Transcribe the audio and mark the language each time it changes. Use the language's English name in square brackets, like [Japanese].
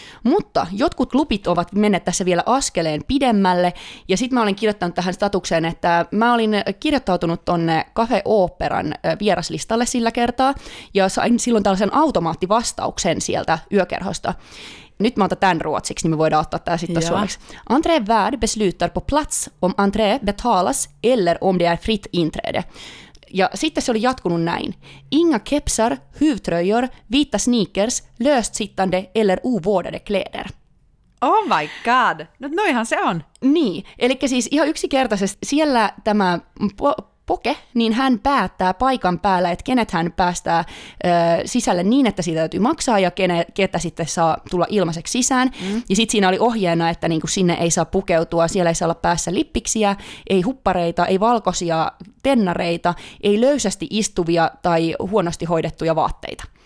[Finnish] Mutta jotkut lupit ovat menneet tässä vielä askeleen pidemmälle ja sitten mä olin kirjoittanut tähän statukseen, että mä olin kirjoittautunut tonne Cafe Operan vieraslistalle sillä kertaa ja sain silloin tällaisen automaattivastauksen sieltä yökerhosta. Nyt mä otan tämän ruotsiksi, niin me voidaan ottaa tämä sitten suomeksi. [Swedish] Entré värd beslutar på plats om entré betalas eller om det är fritt inträde. [Finnish] Ja sitten se oli jatkunut näin. [Swedish] Inga kepsar, huvtröjor, vita sneakers, löst sittande eller ovårdade kläder. [English] Oh my god! [Finnish] No noihan se on. Niin, eli siis ihan yksinkertaisesti siellä tämä Poke, niin hän päättää paikan päällä, että kenet hän päästää sisälle niin, että siitä täytyy maksaa ja ketä sitten saa tulla ilmaiseksi sisään. Mm. Ja sitten siinä oli ohjeena, että niinku sinne ei saa pukeutua, siellä ei saa olla päässä lippiksiä, ei huppareita, ei valkoisia tennareita, ei löysästi istuvia tai huonosti hoidettuja vaatteita.